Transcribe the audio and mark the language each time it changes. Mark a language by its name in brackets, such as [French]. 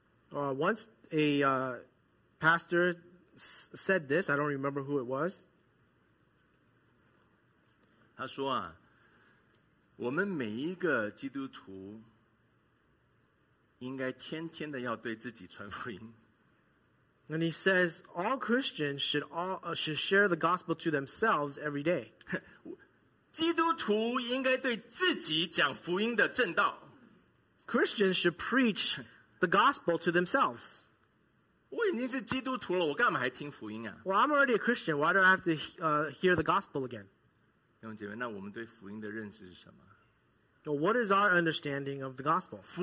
[English] Once a pastor said this, I don't remember who it was. [Chinese] 他说啊, 我们每一个基督徒 应该天天的要对自己传福音。 [English] And he says all Christians should share the gospel to themselves every day. [Chinese] 基督徒应该对自己讲福音的正道。 [English] Christians should preach the gospel to themselves. [Chinese] 我已经是基督徒了，我干嘛还听福音啊？ [English] Well, I'm already a Christian. Why do I have to hear the gospel again? [Chinese] 弟兄姐妹，那我们对福音的认识是什么？ [English] What is our understanding of the gospel?